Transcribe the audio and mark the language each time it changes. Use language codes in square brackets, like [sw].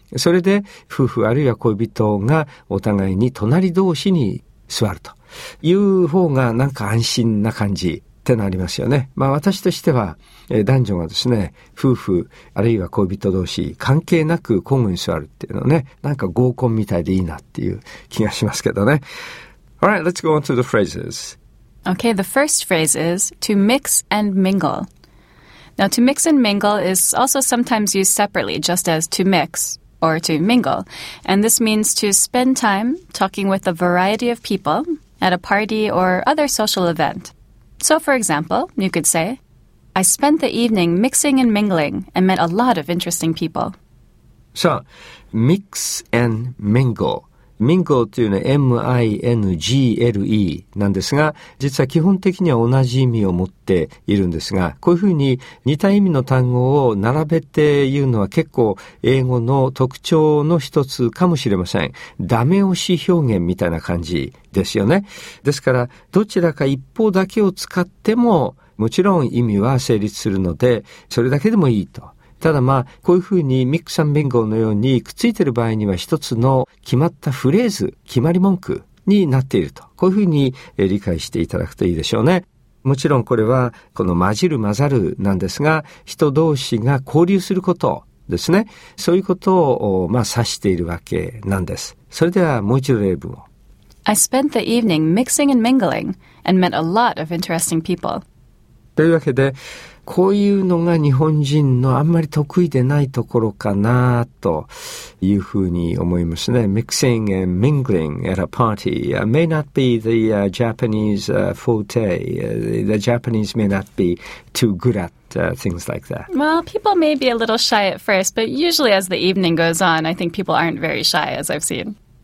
[ja] それで夫婦あるいは恋人がお互いに隣同士に座るという方がなんか安心な感じってなりますよね。まあ私としては男女がですね、夫婦あるいは恋人同士関係なく交互に座るっていうのはね、なんか合コンみたいでいいなっていう気がしますけどね。 [en] Alright, let's go on to the phrases. Okay, the first phrase is to mix and mingle. Now, to mix and mingle is also sometimes used separately, just as to mix or to mingle. And this means to spend time talking with a variety of people at a party or other social event. So, for example, you could say, I spent the evening mixing and mingling and met a lot of interesting people. So, mix and mingle. [ja] Mingle というのは M-I-N-G-L-E なんですが、実は基本的には同じ意味を持っているんですが、こういうふうに似た意味の単語を並べて言うのは結構英語の特徴の一つかもしれません。ダメ押し表現みたいな感じですよね。ですから、どちらか一方だけを使っても、もちろん意味は成立するので、それだけでもいいと。ただまあこういうふうにミックスアンビンゴのようにくっついている場合には一つの決まったフレーズ、決まり文句になっていると、こういうふうに理解していただくといいでしょうね。もちろんこれはこの混じる混ざるなんですが、人同士が交流することですね、そういうことをまあ指しているわけなんです。それではもう一度例文を。 [en] I spent the evening mixing and mingling and met a lot of interesting people. [ja] というわけで、こういうのが日本人のあんまり得意でないところかなというふうに思いますね。 [en] Mixing and mingling at a party may not be the Japanese forte. The Japanese may not be too good at things like that. Well, people may be a little shy at first, but usually as the evening goes on, I think people aren't very shy as I've seen.